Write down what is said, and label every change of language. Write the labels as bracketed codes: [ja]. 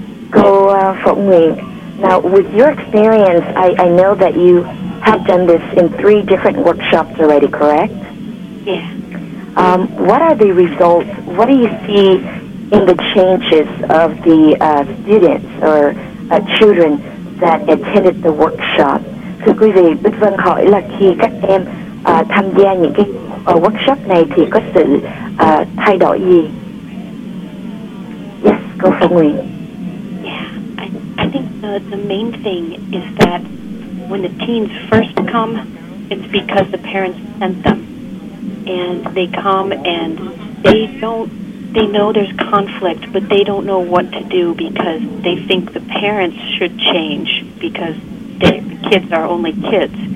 [en] Cô Phổ Nguyện, now with your experience, I know that you have done this in three different workshops already, correct? Yeah. What are the results? What do you see in the changes of the students or children that attended the workshop? [vi] Thưa quý vị, Bích Vân hỏi là khi các em tham gia những cái workshop này thì có sự thay đổi gì? [en] Yes, go for me. Yeah, I think the main thing is that when the teens first come, it's because the parents sent them. And they come and they know there's conflict, but they don't know what to do because they think the parents should change because the kids are only kids.